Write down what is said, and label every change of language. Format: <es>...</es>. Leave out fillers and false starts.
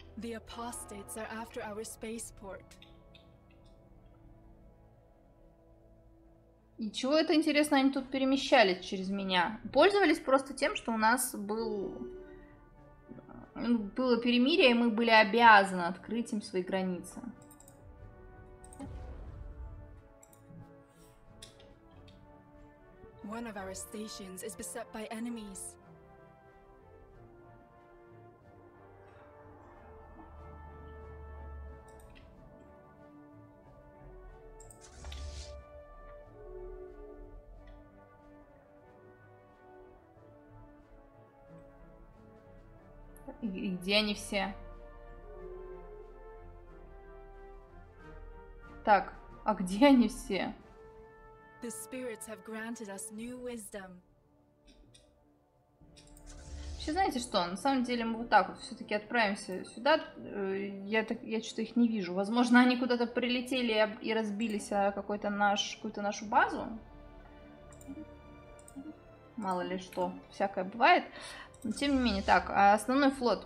<en>The apostates are after our spaceport.</en> <ru>И чего это, интересно, они тут перемещались через меня? Пользовались просто тем, что у нас было перемирие, и мы были обязаны открыть им свои границы.</ru> <en>One of our stations is beset by enemies.</en> <ru>И где они все? Так, а где они все?</ru> <en>The spirits have granted us new wisdom.</en> <ru>Вообще, знаете что? На самом деле мы вот так вот все-таки отправимся сюда. Я что-то их не вижу. Возможно, они куда-то прилетели и разбились какую-то нашу базу. Мало ли что, всякое бывает. Но тем не менее, так, основной флот.</ru>